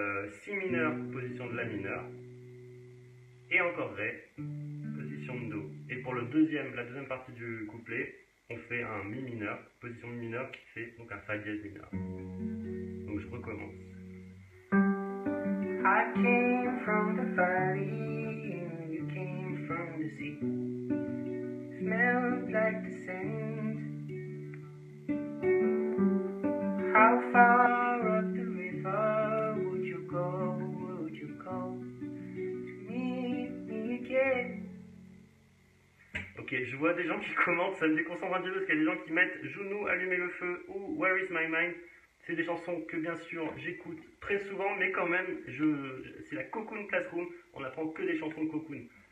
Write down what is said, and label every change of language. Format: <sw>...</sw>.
<fr>Si mineur, position de La mineur. Et encore Ré, position de Do. Et pour la deuxième partie du couplet, on fait un Mi mineur, position Mi mineur qui fait donc un Fa dièse mineur. Donc je recommence.</fr> <en>I came from the valley and you came from the sea. Smelled like the sand. How far up the river would you go to meet me again?</en> <fr>Ok, je vois des gens qui commentent, ça me déconcentre un petit peu parce qu'il y a des gens qui mettent Juno, Allumer le feu ou Where is my mind. C'est des chansons que bien sûr j'écoute très souvent, mais quand même, c'est la Cocoon Classroom, on n'apprend que des chansons de Cocoon.</fr>